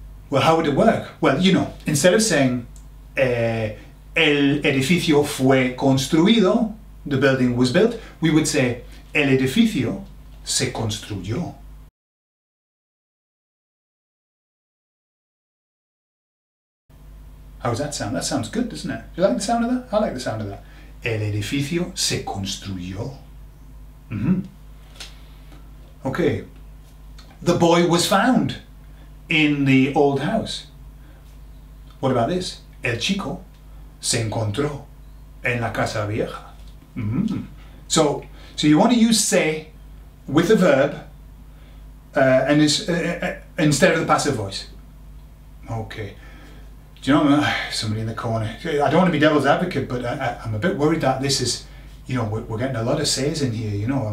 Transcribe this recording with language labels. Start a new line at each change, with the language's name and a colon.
English: Well, how would it work? Well, you know, instead of saying,
Spanish: el edificio fue construido,
English: the building was built, we would say,
Spanish: el edificio se construyó.
English: How does that sound? That sounds good, doesn't it? Do you like the sound of that? I like the sound of that.
Spanish: El edificio se construyó.
English: Mm-hmm. Okay. The boy was found in the old house. What about this?
Spanish: El chico se encontró en la casa vieja. Mm-hmm.
English: So you want to use se with a verb and it's, instead of the passive voice. Okay. Do you know, somebody in the corner, I don't want to be devil's advocate, but I'm a bit worried that this is, you know, we're getting a lot of says in here, you know.